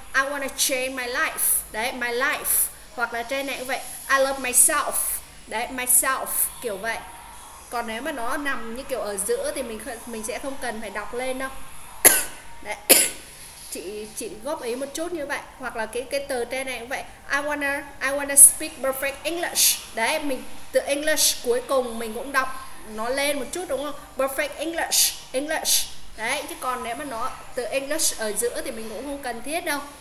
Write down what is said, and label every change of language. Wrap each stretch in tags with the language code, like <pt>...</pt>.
<en>I wanna change my life. Đấy, my life.</en> <vi>Hoặc là trên này cũng vậy.</vi> <en>I love myself.</en> <vi>Đấy, myself kiểu vậy. Còn nếu mà nó nằm như kiểu ở giữa thì mình sẽ không cần phải đọc lên đâu. Đấy. Chị góp ý một chút như vậy. Hoặc là cái từ trên này cũng vậy.</vi> <en>I wanna speak perfect English.</en> <vi>Đấy, mình từ English cuối cùng mình cũng đọc nó lên một chút đúng không? Perfect English. English. Đấy, chứ còn nếu mà nó từ English ở giữa thì mình cũng không cần thiết đâu.</vi>